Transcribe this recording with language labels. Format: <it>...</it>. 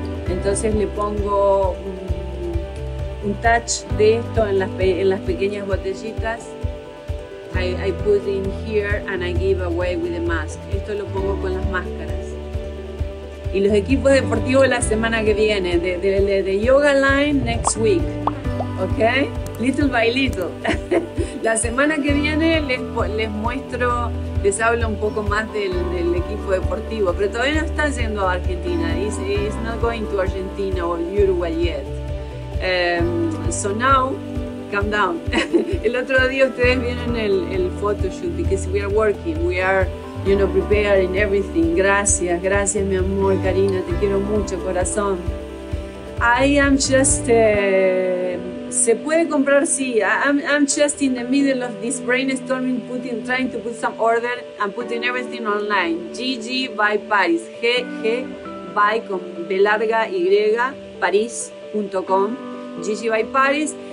<es>Entonces le pongo un touch de esto en las pequeñas botellitas</es> <en>I put in here and I give away with the mask.</en> <es>Esto lo pongo con las máscaras. Y los equipos deportivos la semana que viene, de Yoga Line</es> <en>next week. Ok? Little by little.</en> <es>La semana que viene les muestro, les hablo un poco más del equipo deportivo, pero todavía no está yendo a Argentina.</es> <en>It's not going to Argentina or Uruguay yet. So now, calm down.</en> <es>El otro día ustedes vieron el photoshoot,</es> <en>because we are working, we are, you know, preparing everything.</en> <es>Gracias, gracias, mi amor, Karina, te quiero mucho, corazón.</es> <en>I am just...</en> <es>Se puede comprar, sí.</es> <en>I'm just in the middle of this brainstorming, putting, trying to put some order and putting everything online.</en> <es>GG by Paris. GG by, con B larga, Y, Paris.com. GG by Paris.</es>